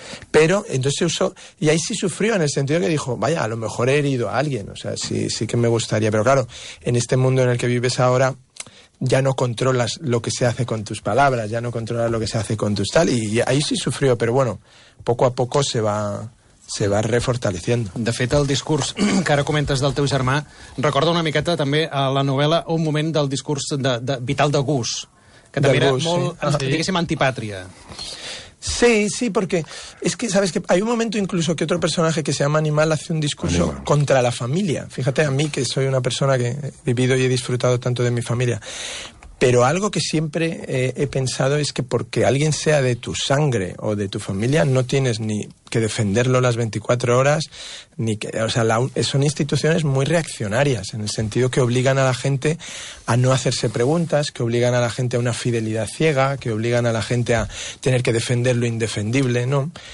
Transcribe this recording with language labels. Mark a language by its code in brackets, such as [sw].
[es] Pero entonces se usó, y ahí sí sufrió en el sentido que dijo, vaya, a lo mejor he herido a alguien, o sea, sí, sí que me gustaría, pero claro, en este mundo en el que vives ahora, ya no controlas lo que se hace con tus palabras, ya no controlas lo que se hace con tus tal, y ahí sí sufrió, pero bueno, poco a poco se va refortaleciendo. [ca] De fet, el discurs que ara comentes del teu germà recorda una miqueta també a la novel·la un moment del discurs de Vital de Gus, que també era molt, diguéssim, antipàtria. [es] Sí, sí, porque es que, ¿sabes qué? Hay un momento incluso que otro personaje que se llama Animal hace un discurso Animal contra la familia. Fíjate a mí, que soy una persona que he vivido y he disfrutado tanto de mi familia. Pero algo que siempre he pensado es que porque alguien sea de tu sangre o de tu familia, no tienes ni que defenderlo las 24 horas, ni que, o sea, son instituciones muy reaccionarias, en el sentido que obligan a la gente a no hacerse preguntas, que obligan a la gente a una fidelidad ciega, que obligan a la gente a tener que defender lo indefendible, ¿no?